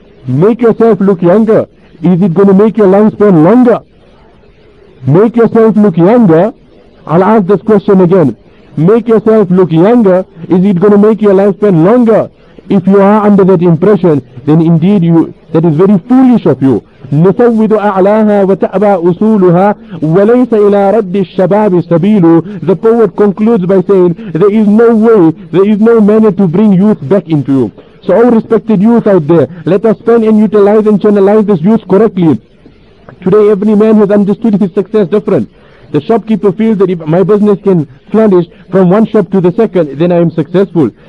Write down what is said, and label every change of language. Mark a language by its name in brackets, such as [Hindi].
[English] Make yourself look younger. Is it going to make your lifespan longer? Make yourself look younger. I'll ask this question again. Make yourself look younger. Is it going to make your lifespan longer? If you are under that impression, then indeed that is very foolish of you. [Arabic] نفوض أعلاها وتأبى أصولها وليس إلى رد الشباب سبيل. [English] The poet concludes by saying there is no way, there is no manner to bring youth back into you. So all respected youth out there, let us spend and utilize and channelize this youth correctly. Today every man has understood his success different. The shopkeeper feels that if my business can flourish from one shop to the second, then I am successful.